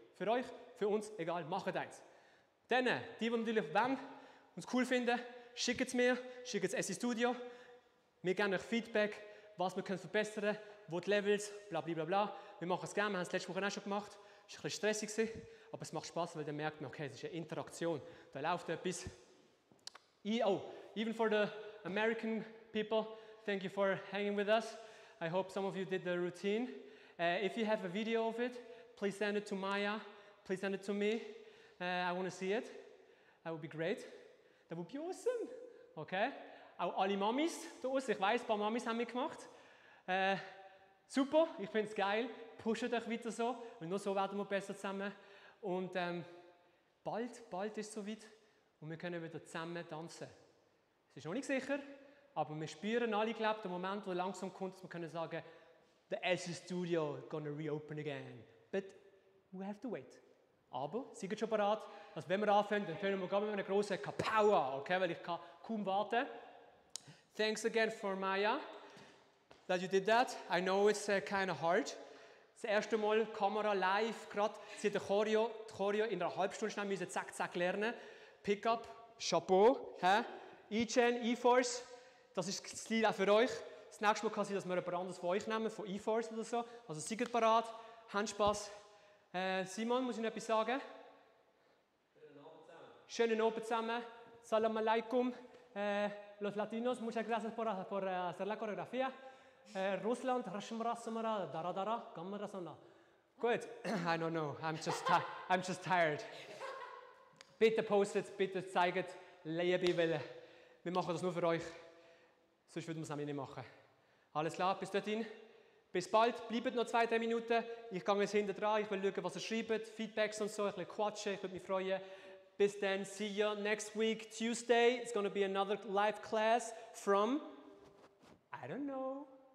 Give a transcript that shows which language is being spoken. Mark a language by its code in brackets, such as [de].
[de] Für euch, für uns, egal, macht eins. Dann, die natürlich wollen, uns cool finden, schickt es mir, schickt es SC Studio. Wir geben euch Feedback, was wir können verbessern können, wo die Levels, bla bla bla bla. Wir machen es gerne, wir haben es letzte Woche auch schon gemacht. Es war ein bisschen stressig, aber es macht Spass, weil dann merkt man, okay, es ist eine Interaktion. Da läuft etwas. [en] Even for the American people, thank you for hanging with us. I hope some of you did the routine. If you have a video of it, please send it to Maya. Please send it to me. I want to see it. That would be great. That would be awesome. Okay. [de] Auch alle Mamis da draussen. Ich weiß, ein paar Mamis haben mitgemacht. Super, ich finde es geil. Pushet euch weiter so, weil nur so werden wir besser zusammen. Und bald ist es soweit und wir können wieder zusammen tanzen. Es ist noch nicht sicher, aber wir spüren alle, glaube ich, den Moment, wo langsam kommt, dass wir können sagen, [en] the SC Studio is gonna reopen again. But we have to wait. [de] Aber seid schon bereit, dass wenn wir anfangen, dann fangen wir mit einer grossen Kapau an, okay? Weil ich kann kaum warten. [en] Thanks again for Maya, that you did that. I know it's kind of hard. [de] Das erste Mal Kamera live, gerade. Sie hat die Choreo in einer halben Stunde schnell müssen zack, zack lernen. Pickup, Chapeau. Hä? E-Chain, E-Force, das ist das Lied auch für euch. Das nächste Mal kann sein, dass wir jemand anderes von euch nehmen, von E-Force oder so. Also seid bereit, habt Spass. Simon, muss ich noch etwas sagen? Schönen Abend zusammen. [ar] Salam alaikum. [es] Los Latinos, muchas gracias por hacer la coreografía. [en] Russland, Rasmarasamara, Dara Dara, Kamarasana. Gut, I don't know, I'm just tired. [de] Bitte postet, bitte zeigt, Liebe, weil wir machen das nur für euch. Sonst würden wir es nämlich nicht machen. Alles klar, bis dorthin. Bis bald, bleibt noch 2-3 Minuten. Ich gehe jetzt hinten dran, ich will schauen, was ihr schreibt, Feedbacks und so, ein bisschen quatschen, ich würde mich freuen. Bis dann, [en] see you next week, Tuesday. It's going to be another live class from, I don't know.